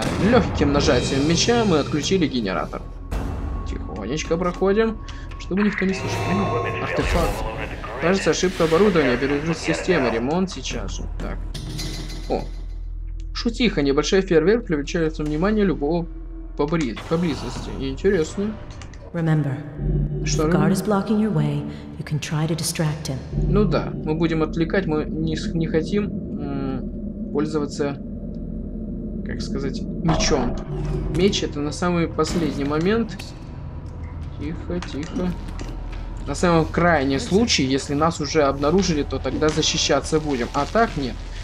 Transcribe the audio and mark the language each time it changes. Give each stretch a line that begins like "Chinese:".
Russian: Легким нажатием меча мы отключили генератор. Тихонечко проходим, чтобы никто не слышал. Артефакт. Кажется, ошибка оборудования, перегрузка системы, ремонт сейчас же. Так. О. Шутиха, небольшой фейерверк привлечет внимание любого поблизости. Интересно.
English: Remember,
Russian: что
English: the guard is blocking your way, you can try to distract him.
Russian: Ну да, мы будем отвлекать, мы не хотим пользоваться, как сказать, мечом. Меч это на самый последний момент. Тихо, тихо. На самом крайнем случае, если нас уже обнаружили, то тогда защищаться будем. А так нет.